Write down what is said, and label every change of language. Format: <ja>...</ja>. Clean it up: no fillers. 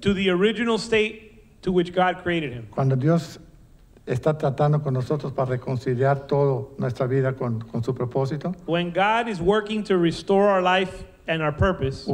<en>To the original state to which God created him.</en> <es>Cuando Dios está tratando con nosotros para reconciliar toda nuestra vida con su propósito.</es> <en>When God is working to restore our life and our purpose.</en>